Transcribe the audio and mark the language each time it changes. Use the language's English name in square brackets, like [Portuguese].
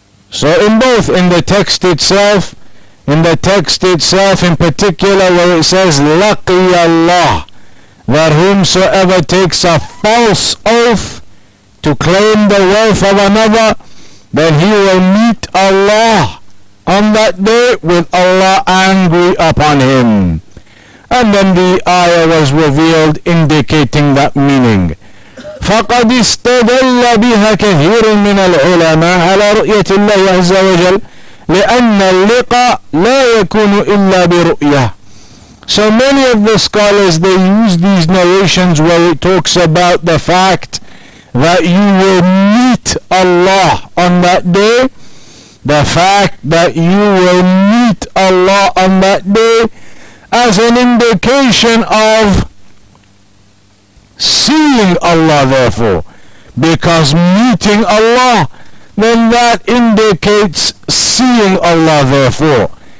[English] So in both, in the text itself in particular, where it says لَقِيَ Allah, that whomsoever takes a false oath to claim the wealth of another, then he will meet Allah on that day with Allah angry upon him. And then the ayah was revealed indicating that meaning. [Arabic] فقد استدل بها كثير من العلماء على رؤية الله عز وجل لأن اللقاء لا يكون إلا برؤية. [English] So many of the scholars, they use these narrations where it talks about the fact that you will meet Allah on that day. The fact that you will meet Allah on that day as an indication of seeing Allah, therefore, because meeting Allah, then that indicates seeing Allah, therefore.